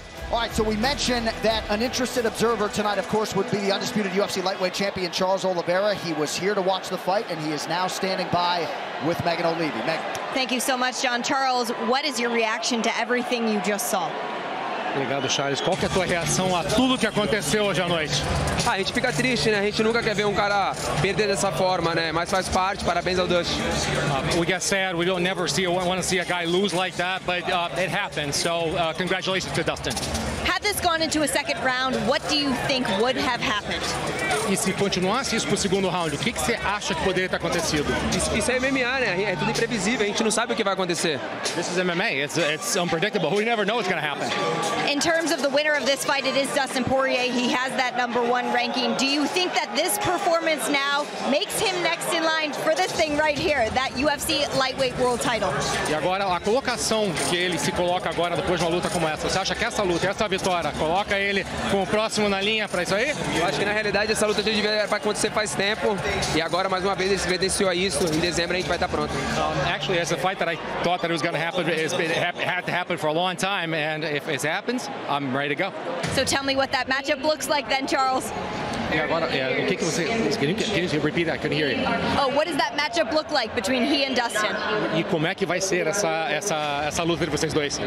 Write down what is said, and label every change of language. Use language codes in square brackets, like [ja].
[en] All right, so we mentioned that an interested observer tonight, of course, would be the undisputed UFC lightweight champion, Charles Oliveira. He was here to watch the fight, and he is now standing by with Megan O'Leary. Megan. Thank you so much, John. Charles, what is your reaction to everything you just saw? [pt] Obrigado, Charles. Qual que é a tua reação a tudo que aconteceu hoje à noite? A gente fica triste, né? A gente nunca quer ver cara perder dessa forma, né? Mas faz parte. Parabéns ao Dustin. [en] We get sad. We don't never see want to see a guy lose like that, but it happens. So congratulations to Dustin. Had this gone into a second round, what do you think would have happened? [pt] E se continuasse isso pro segundo round, o que você acha que poderia ter acontecido? Isso é MMA, né? É tudo imprevisível. A gente não sabe o que vai acontecer. [en] This is MMA. It's unpredictable. We never know what's going to happen. In terms of the winner of this fight, it is Dustin Poirier. He has that number one ranking. Do you think that this performance now makes him next in line for this thing right here, that UFC lightweight world title? [pt] E agora, a colocação que ele se coloca agora, depois de uma luta como essa, você acha que essa luta, essa vitória, coloca ele como próximo na linha para isso aí? Eu acho que, na realidade, essa luta já devia acontecer faz tempo. E agora, mais uma vez, ele se vedenciou a isso. Em dezembro, a gente vai estar pronto. [en] Actually, it's a fight that I thought that it was going to happen. It's been, had to happen for a long time. And if it's happens, I'm ready to go. So tell me what that matchup looks like then, Charles. Can you repeat that? I couldn't hear you. Oh, what does that matchup look like between he and Dustin? [pt] E como é que vai ser essa luta de vocês dois?